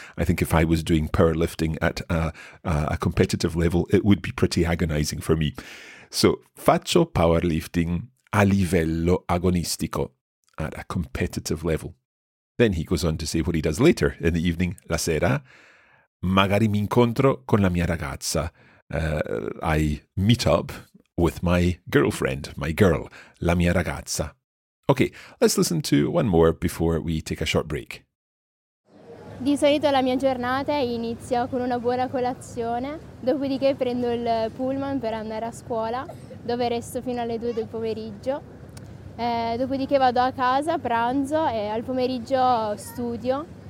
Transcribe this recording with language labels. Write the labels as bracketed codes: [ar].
[en] I think if I was doing powerlifting at a competitive level, it would be pretty agonizing for me. [it] So, faccio powerlifting a livello agonistico, [en] at a competitive level. Then he goes on to say what he does later in the evening, [it] la sera. Magari mi incontro con la mia ragazza. [en] I meet up with my girlfriend, my girl, [it] la mia ragazza. [en] Okay, let's listen to one more before we take a short break. [it] Di solito la mia giornata inizia con una buona colazione, dopodiché prendo il pullman per andare a scuola, dove resto fino alle 2 del pomeriggio. Dopodiché vado a casa, pranzo e al pomeriggio studio.